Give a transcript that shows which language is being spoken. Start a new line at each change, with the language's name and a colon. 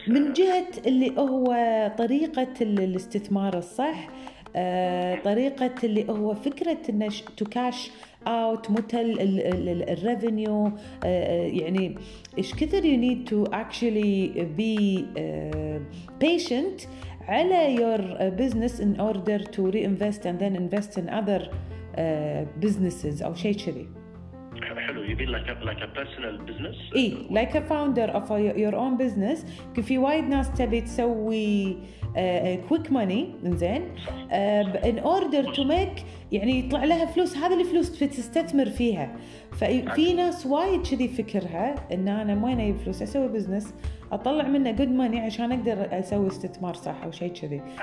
Arabic: من جهة اللي هو طريقة الاستثمار الصح, طريقة اللي هو فكرة إنه
English: to cash out
Arabic: متل الريفينيو, يعني إيش كثر
English: you need to actually be patient
Arabic: على
English: your business in order to reinvest and then invest in other businesses
Arabic: أو شيء كذي.
English: You mean like a personal business?
Arabic: إيه,
English: like a founder of your own business.
Arabic: كفي وايد ناس تبي تسوي
English: quick money,
Arabic: إنزين,
English: in order to make
Arabic: يعني يطلع لها فلوس, هذه الفلوس تستثمر فيها. ففي ناس وايد كذي فكرها إن أنا وين أجيب فلوس, أسوي business, أطلع منه
English: good money
Arabic: عشان أقدر أسوي استثمار صح أو شيء كذي.